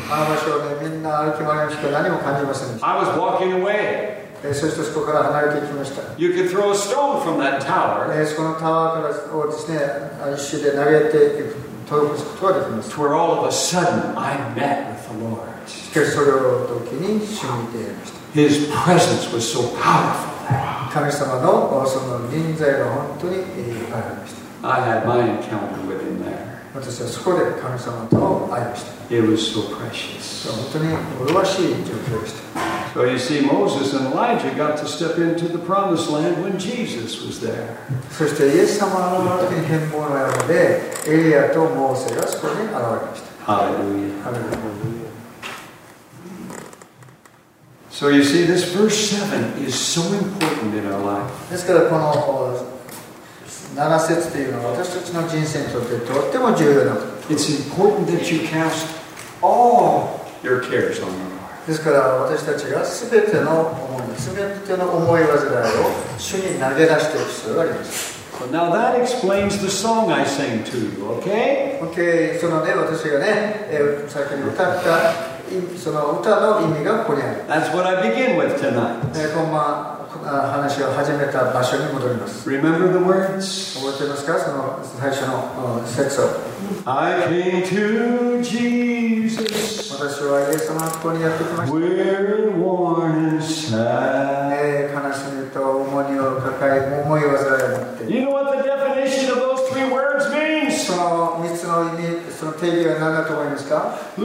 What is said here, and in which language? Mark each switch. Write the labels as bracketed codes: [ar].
[ja] あの場所でみんな歩き回りました。何も感じませんでした。 [en] I was walking away. [ja] そしてそこから離れていきました。 [en] You could throw a stone from that tower. [ja] そこのタワーからをですね、石で投げて飛ぶことができます。 [en] Where all of a sudden I met with the Lord. [ja] しかしそれを時に主に出会いました。 [en] His presence was so powerful. [ja] 神様のその臨在が本当に現れました。 [en] I had my encounter with him there. [ja] 私はそこで神様と会いました。 [en] It was so precious. [ja] 本当に麗しい状況でした。 [en] So you see, Moses and Elijah got to step into the promised land when Jesus was there. [ja] そしてイエス様の周りに変貌のようで、エリアとモーセがそこに現れました。 [en] Hallelujah. Hallelujah. So you see, this verse 7 is so important in our life. [ja] ですからこの7節というのは私たちの人生にとってとっても重要なこと。 [en] It's important that you cast all your cares on the Lord. [ja] ですから私たちがすべての思い、すべての思い煩いを主に投げ出していく必要があります。 [en] Now that explains the song I sang to you, okay? [ja] Okay, そのね、私がね、先に歌った。その歌の意味がここにある。 [en] That's what I begin with tonight. [ja] で、今晩話を始めた場所に戻ります。 [en] Remember the words? [ja] 覚えてますか？その最初の節を。 [en] I came to Jesus. [ja] 私はイエス様のここにやってきました。 [en] Weary, worn, and sad. [ja] 悲しみと重荷を抱え、重い煩いを持って。 [en] You know what the definition of those three words means? [ja] その3つの意味、その定義は何だと思いますか？